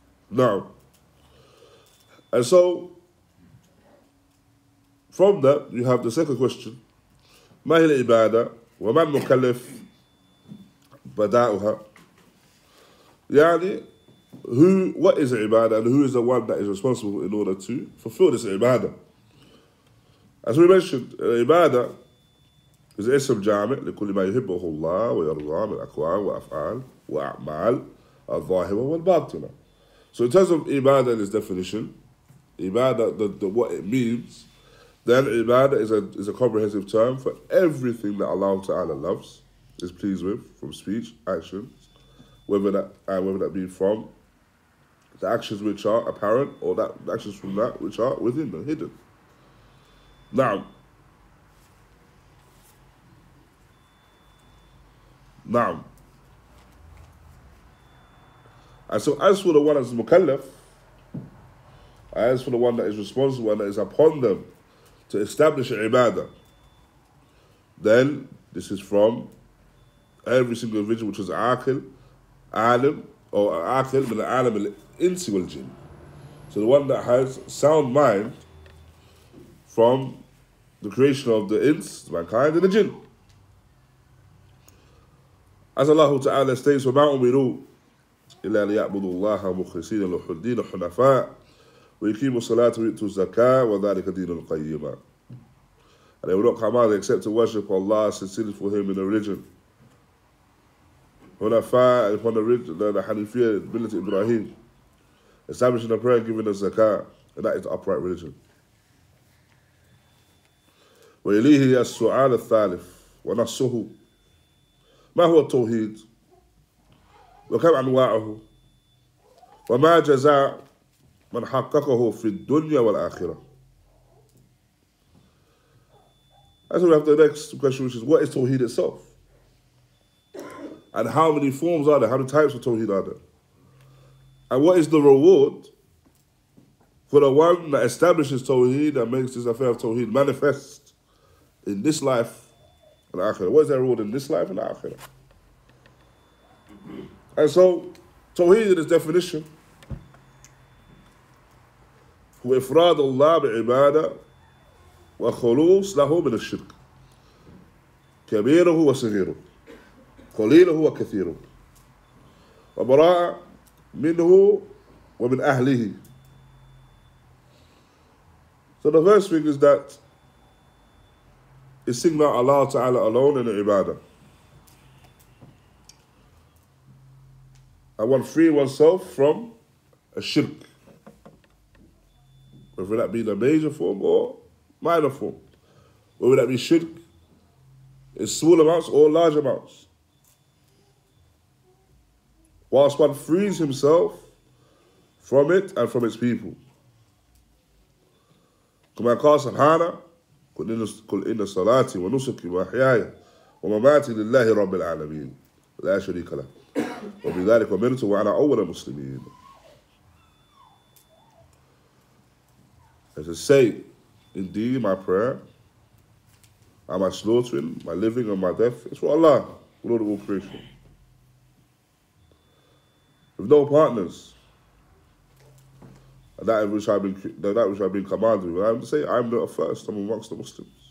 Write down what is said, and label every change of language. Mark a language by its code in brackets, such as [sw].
[en] Now, and so from that you have the second question: [ar] ما هي العبادة وما المكلف بداؤها؟ [en] يعني who, what is ibadah, and who is the one that is responsible in order to fulfill this ibadah? As we mentioned, ibadah is [ar] اسم جامع لكل ما يحبه الله ويرضى من أقوال وأفعال وأعمال الظاهرة والباطنة. [en] So in terms of ibadah and its definition, ibadah, the what it means, then ibadah is a comprehensive term for everything that Allah Ta'ala loves, is pleased with, from speech, actions, whether that be from the actions which are apparent or that actions from that which are within and hidden. [ar] Na'am. [en] And so as for the one that's mukallaf, as for the one that is responsible and that is upon them to establish ibadah, then this is from every single individual which is aqil, alim, or [ar] aqil min alim al-insi wal-jinn. [en] So the one that has sound mind from the creation of the ins, mankind, and the jinn. As Allah Ta'ala states, [ar] وَمَا أُمِرُوا إِلَّا لِيَعْبُدُوا اللَّهَ مُخْلِصِينَ لَهُ الدِّينَ حُنَفَاءَ وَيُقِيمُوا الصَّلَاةَ وَيُؤْتُوا الزَّكَاةَ وَذَٰلِكَ دِينُ الْقَيِّمَةَ. [en] And they will not come out except to worship Allah sincerely for Him in the religion. Hunafa, upon the religion, the Hanifiyya, the ability of Ibrahim, establishing the prayer and giving the zakah, and that is the upright religion. [ar] وَيَلِيهِ السُّعَالَ الثَّالِفِ وَنَصُّهُ مَا هُوَ التَّوْهِيدِ وَكَمْ أَنْوَاعُهُ وَمَا جَزَاءُ مَنْ حَقَّقَهُ فِي الدُّنْيَا وَالْآخِرَةِ. [en] And so we have the next question, which is, what is Tawheed itself? And how many forms are there? How many types of Tawheed are there? And what is the reward for the one that establishes Tawheed and makes this affair of Tawheed manifest in this life and Akhirah? What is that reward in this life and Akhirah? And so, Tawheed in its definition, [ar] هو إفراد الله بعبادة وخلوص له من الشرك كبيره وصغيره قليله وكثيره وبراء منه ومن أهله. [en] So the first thing is that it's singing out Allah Ta'ala alone in the ibadah. And one free oneself from a shirk, whether that be the major form or minor form, whether that be shirk in small amounts or large amounts. Whilst one frees himself from it and from its people. [ar] كما قال سبحانه قل إن صلاتي ونسكي وحياي ومماتي لله رب العالمين لا شريك له وبذلك أمرت وأنا أول المسلمين. [en] As I say, indeed, my prayer and my slaughtering, my living and my death is for Allah, Lord of all creation. With no partners, and that which I've been commanded with, I have to say, I'm the first amongst the Muslims.